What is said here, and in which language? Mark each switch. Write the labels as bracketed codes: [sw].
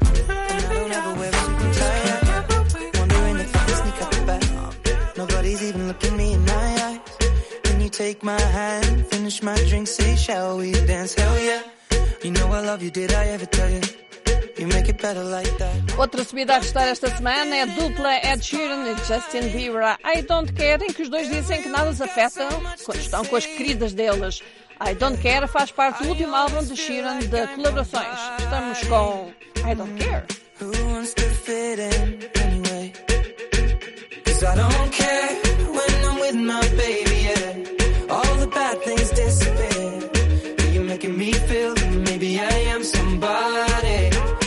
[en] I don't ever wear my tie. Wondering if I can sneak up the back. Nobody's even looking me in my eyes. Can you take my hand, finish my drink, say, shall we dance? Hell yeah. You know I love you, did I ever tell you? You make it better like that. [pt] Outra subida a gostar esta semana é a dupla Ed Sheeran e Justin Bieber. I Don't Care, em que os dois dizem que nada os afeta quando estão com as queridas delas. I Don't Care faz parte do último álbum de Sheeran de colaborações. Estamos com I Don't Care. [en] Who wants to fit in anyway? Cause I don't care when I'm with my baby, yeah. All the bad things disappear. You're making me feel that maybe I am somebody.